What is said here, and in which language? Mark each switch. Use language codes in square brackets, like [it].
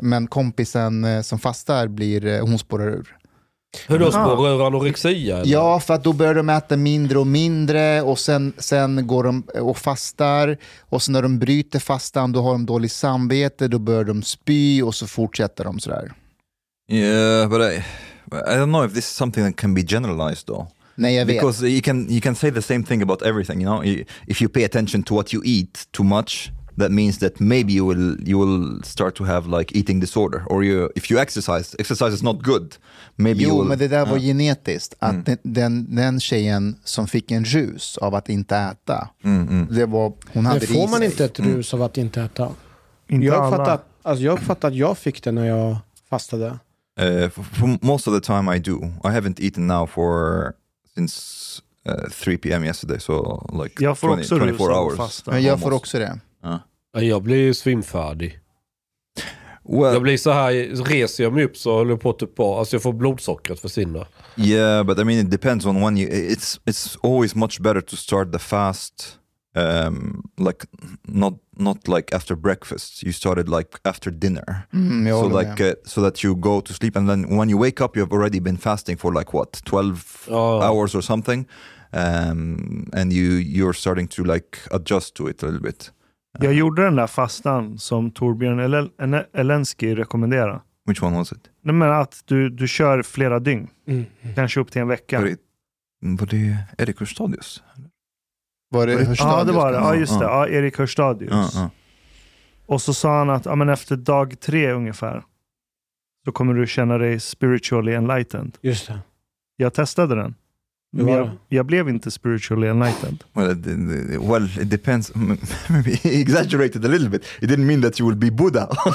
[sv] Men kompisen som fastar blir, hon spårar ur. Hur då spårar ur anorexia? Eller? Ja, för att då börjar de äta mindre och mindre och sen går de och fastar och sen när de bryter fastan då har de dåligt samvete, då börjar de spy och så fortsätter de sådär. [en] Yeah, but I don't know if this is something that can be generalized, though. [sv] Nej, jag vet. [en] Because you can say the same thing about everything, you know. If you pay attention to what you eat too much, that means that maybe you will start to have like eating disorder. Or if you exercise is not good, maybe. [sv] Jo, [en] you will, [sv] men det där var genetiskt. Att den tjejen som fick en rus av att inte äta, det var hon hade. Det får man inte ett rus av att inte äta. Inte jag uppfattar. Alltså jag uppfattar att jag fick det när jag fastade. [en] For most of the time I do. I haven't eaten now since 3 p.m. yesterday, so like 24 hours. [sv] Men jag får också det. Jag blir ju svimfärdig. Well, jag blir så här, reser jag mig upp så håller jag på typ på. Alltså jag får blodsockret försvinna. [en] Yeah, but I mean it depends on when you, it's always much better to start the fast like not like after breakfast, you started like after dinner. So that you go to sleep and then when you wake up you have already been fasting for like what 12 hours or something, and you're starting to like adjust to it a little bit. [sv] Jag gjorde den där fastan som Torbjörn Elensky rekommenderar. [en] Which one was it? [sv] Nej, men att du kör flera dygn, kanske upp till en vecka. Var det Erik Hörstadius? Erik Hörstadius. Och så sa han att efter dag 3 ungefär så kommer du känna dig [en] spiritually enlightened. [sv] Just det. Jag testade den. Men jag blev inte [en] spiritually enlightened. Well, it depends. Maybe exaggerated a little bit. It didn't mean that you will be Buddha.